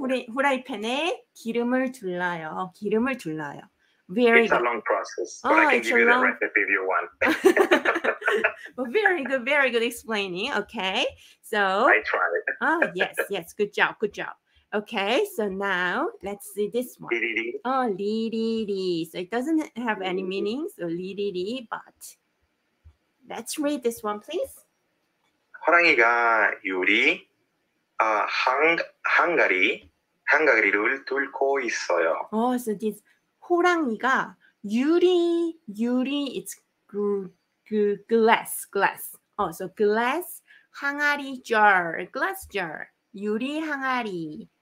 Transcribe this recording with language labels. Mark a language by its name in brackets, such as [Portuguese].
[Korean] 후라이팬에 기름을 둘러요. 기름을 둘러요. [English] Very it's good. a long process, but I can give you long... the recipe if you want. Well, very good explaining. Okay, so I tried. yes, good job. Okay, so now let's see this one. Li-di-di. So it doesn't have any meaning, so li-di-di, but let's read this one, please. [Korean] 호랑이가 유리, 한가리를 뚫고 있어요. [English] Oh, so this [Korean] 호랑이가 유리, [English] it's glass. Oh, so glass, 항아리 jar, glass jar, [Korean] 유리 항아리.